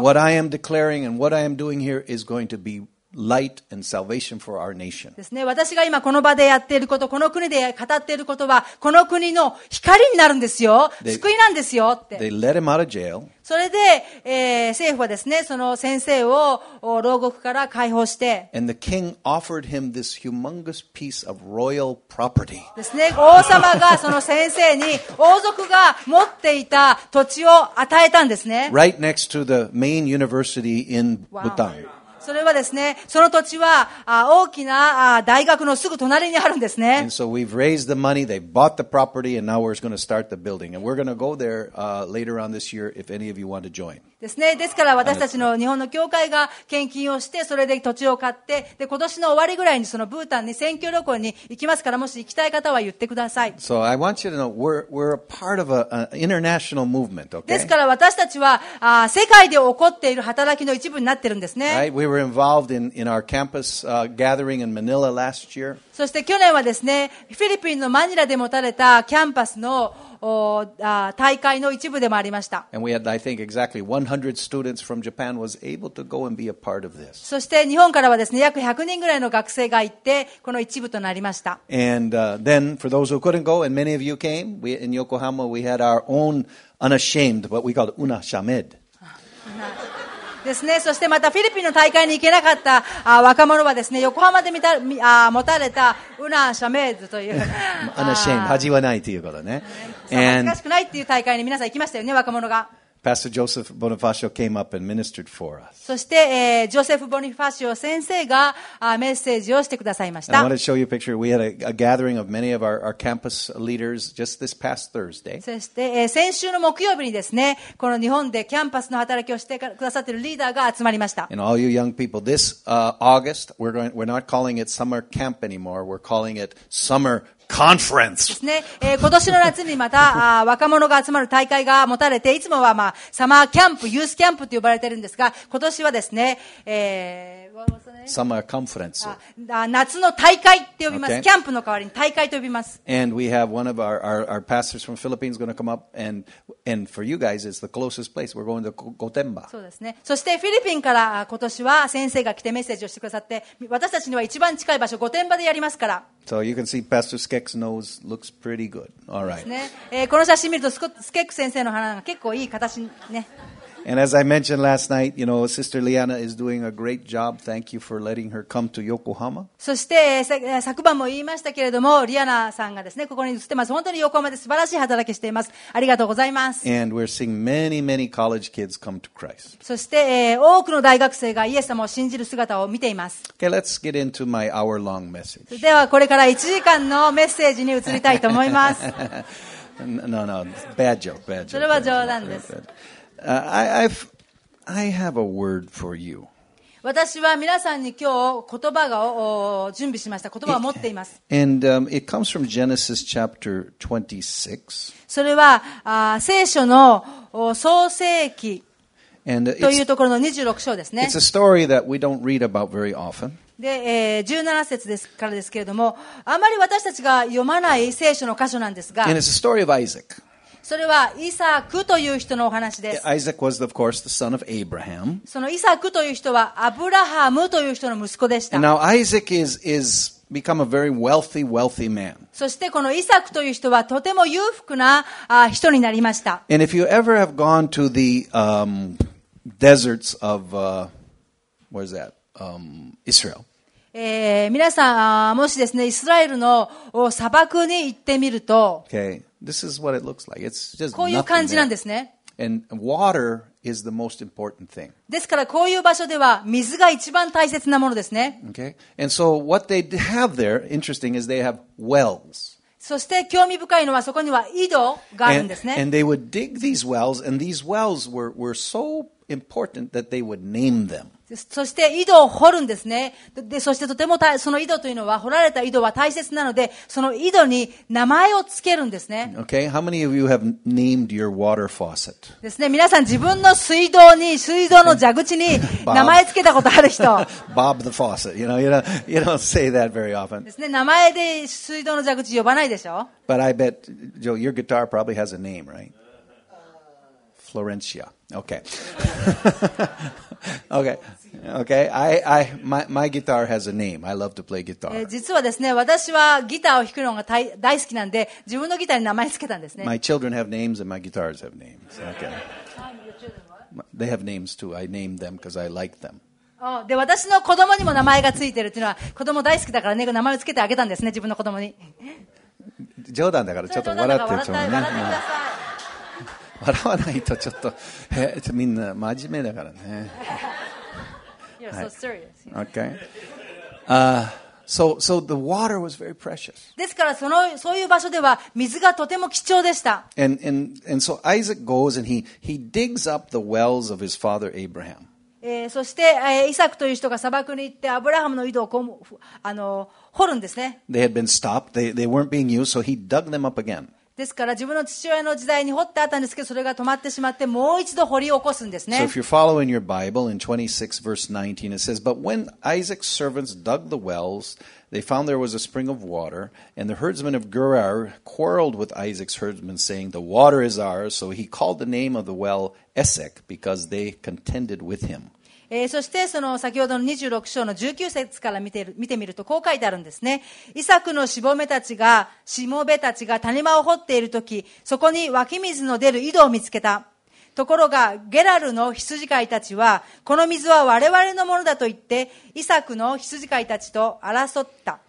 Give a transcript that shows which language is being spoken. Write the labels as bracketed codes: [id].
[en] What I am declaring and what I am doing here is going to be light and salvation for our nation. [ja] ですね。私が今この場でやっていること、この国で語っていることは、この国の光になるんですよ。救いなんですよって。 [en] They let him out of jail. [ja] それで、政府はですね、その先生を牢獄から解放して。 [en] And the king offered him this humongous piece of royal property. [ja] ですね。王様がその先生に、王族が持っていた土地を与えたんですね。 [en] Right next to the main university in Bhutan. Wow. [ja] それはですね、その土地は大きな大学のすぐ隣にあるんですね。 [en] And so we've raised the money, they bought the property, and now we're going to start the building. And we're going to go there later on this year if any of you want to join. [ja] ですね。ですから私たちの日本の教会が献金をして、それで土地を買って、で、今年の終わりぐらいにそのブータンに選挙旅行に行きますから、もし行きたい方は言ってください。 [en] So I want you to know, we're a part of an international movement, okay? [ja] ですから私たちは、世界で起こっている働きの一部になってるんですね。 [en] Right? We were involved in our campus gathering in Manila last year. [ja] そして去年はですね、フィリピンのマニラで持たれたキャンパスの大会の一部でもありました。 [en] And we had, I think, exactly 100 students from Japan was able to go and be a part of this. [ja] そして日本からはですね、約100人ぐらいの学生が行って、この一部となりました。 [en] And then, for those who couldn't go, and many of you came, we, in Yokohama, we had our own unashamed, what we called Unashamed. [ja] ですね、そしてまたフィリピンの大会に行けなかった若者はですね、横浜で見た持たれたウナシャメーズという Unashamed 恥はないということね、恥ずかしくないという大会に皆さん行きましたよね、若者が。 [en] Pastor Joseph Bonifacio came up and ministered for us. [ja] そして、ジョセフ・ボニファシオ先生がメッセージをしてくださいました。 [en] I want to show you a picture. We had a gathering of many of our campus leaders just this past Thursday. [ja] そして、先週の木曜日にですね、この日本でキャンパスの働きをしてくださっているリーダーが集まりました。 [en] And all you young people, this August, we're not calling it summer camp anymore. We're calling it summer conference. [ja] ですね。今年の夏にまた若者が集まる大会が持たれて、いつもはまあサマーキャンプ、ユースキャンプと呼ばれているんですが、今年はですね、サマーカンファレンス、夏の大会と呼びます。Okay. キャンプの代わりに大会と呼びます。 [en] And we have one of our pastors from Philippines going to come up, and for you guys, it's the closest place. We're going to Gotemba. [ja] そうですね。そしてフィリピンから今年は先生が来てメッセージをしてくださって、私たちには一番近い場所、御殿場でやりますから。 [en] So you can see Pastor Skek's nose looks pretty good. All right. [ja] ですね。この写真見るとスケック先生の鼻が結構いい形ね。 [en] And as I mentioned last night, you know, Sister Liana is doing a great job. Thank you for letting her come to Yokohama. [ja] そして昨晩も言いましたけれども、リアナさんがですね、ここに映ってます。本当に横浜で素晴らしい働きしています。ありがとうございます。 [en] And we're seeing many, many college kids come to Christ. [ja] そして多くの大学生がイエス様を信じる姿を見ています。 [en] Okay, let's get into my hour-long message. [ja] ではこれから1時間のメッセージに移りたいと思います。 [en] No, bad joke, bad joke. [ja] それは冗談です。 [en] I have a word for you. [ja] 私は皆さんに今日言葉を準備しました。言葉を持っています。 [en] And it comes from Genesis chapter 26. [ja] それは聖書の創世記というところの26章ですね。 [en] It's a story that we don't read about very often. [ja] で17節ですからですけれども、あまり私たちが読まない聖書の箇所なんですが。 [en] And it's a story of Isaac. [ja] それはイサクという人のお話です。 [en] Isaac was of course the son of Abraham. [ja] そのイサクという人はアブラハムという人の息子でした。 [en] And now Isaac is become a very wealthy man. [ja] そしてこのイサクという人はとても裕福な人になりました。 [en] And if you ever have gone to the deserts of where is that? Israel. [ja] 皆さんもしですねイスラエルの砂漠に行ってみると。 [en] Okay. This is what it looks like. It's just [ja] こういう感じなんですね。 [en] And water is the most important thing. [ja] ですからこういう場所では水が一番大切なものですね。 [en] Okay. And so what they have there, interesting, is they have wells. [ja] そして興味深いのはそこには井戸があるんですね。 [en] And they would dig these wells, and these wells were so important that they would name them. [ja] そして井戸を掘るんですね。で、そしてとてもその井戸というのは掘られた井戸は大切なので、その井戸に名前をつけるんですね。 [en] Okay, how many of you have named your water faucet? [ja] ですね、皆さん自分の水道に水道の蛇口に名前つけたことある人。 [en] Bob the faucet, you don't say that very often. [ja] ですね、名前で水道の蛇口呼ばないでしょ。 [en] But I bet Joe, your guitar probably has a name, right? Florencia. Okay. okay. Okay, my guitar has a name. I love to play guitar. [ja] 実はですね、私はギターを弾くのが大好きなんで、自分のギターに名前つけたんですね。 [en] My children have names and my guitars have names. Okay. They have names too. I named them because I like them. [ja] で、私の子供にも名前がついてるっていうのは、子供大好きだからね、名前をつけてあげたんですね、自分の子供に。冗談だからちょっと笑ってちょうだい。笑ってください。笑わないとちょっと、みんな真面目だからね。 [en] You're so serious. Okay. So the water was very precious. [ja] ですからそのそういう場所では水がとても貴重でした。 [en] And so Isaac goes and he digs up the wells of his father Abraham. [ja] そしてイサクという人が砂漠に行ってアブラハムの井戸をこう掘るんですね。 [en] They had been stopped. They weren't being used, so he dug them up again. [ja] ですから自分の父親の時代に掘ってあったんですけどそれが止まってしまってもう一度掘り起こすんですね。 [en] So if you're following your Bible in 26 verse 19 it says, But when Isaac's servants dug the wells, they found there was a spring of water, and the herdsmen of Gerar quarreled with Isaac's herdsmen, saying, The water is ours. So he called the name of the well Esek, because they contended with him. [ja] そしてその先ほどの26章の19節から見てみるとこう書いてあるんですね。イサクのしもべたちが谷間を掘っているとき、そこに湧き水の出る井戸を見つけた。ところがゲラルの羊飼いたちはこの水は我々のものだと言ってイサクの羊飼いたちと争った。